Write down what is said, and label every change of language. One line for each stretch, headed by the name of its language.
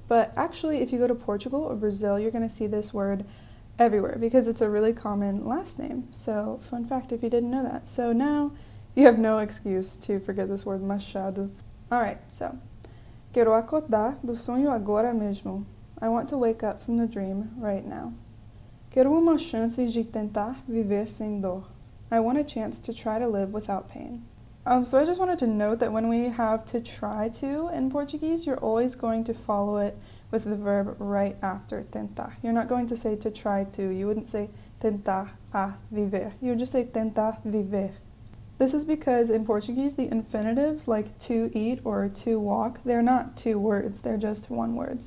English: But actually, if you go to Portugal or Brazil, you're going to see this word everywhere, because it's a really common last name. So, fun fact if you didn't know that. So now, you have no excuse to forget this word, machado. Alright, so.
Portuguese: Quero acordar do sonho agora mesmo.
English: I want to wake up from the dream right now.
Portuguese: Quero uma chance de tentar viver sem dor.
English: I want a chance to try to live without pain. So I just wanted to note that when we have to try to in Portuguese, you're always going to follow it with the verb right after, tentar. You're not going to say to try to. You wouldn't say
Portuguese: tentar a viver.
English: You would just say
Portuguese: tentar viver.
English: This is because in Portuguese, the infinitives, like to eat or to walk, they're not two words, they're just one word.